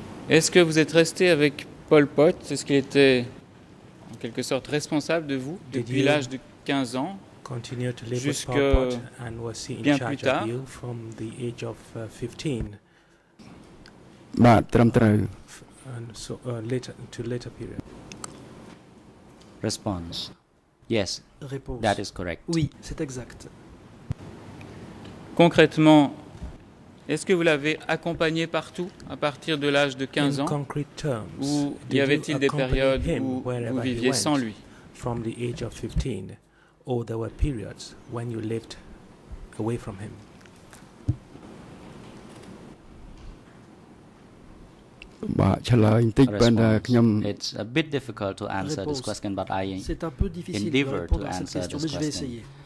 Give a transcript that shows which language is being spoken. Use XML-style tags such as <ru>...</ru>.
<fr>Est-ce que vous êtes resté avec Pol Pot? Est-ce qu'il était en quelque sorte responsable de vous depuis l'âge de 15 ans</fr> <en>continue to live with Pol Pot and was he in charge of you from the age of 15? Bah, trăm trăm. And so later to later period. Response. Yes.</en> <fr>Réponse.</fr> <en>That is correct.</en> <fr>Oui, c'est exact. Concrètement, est-ce que vous l'avez accompagné partout à partir de l'âge de 15 ans?</fr> <en>In concrete terms,</en> <fr>ou y avait-il des périodes où vous viviez sans lui?</fr> <en>From the age of 15, or there were periods when you lived away from him? It's a bit difficult to answer this question, but I endeavor to answer this question.</en>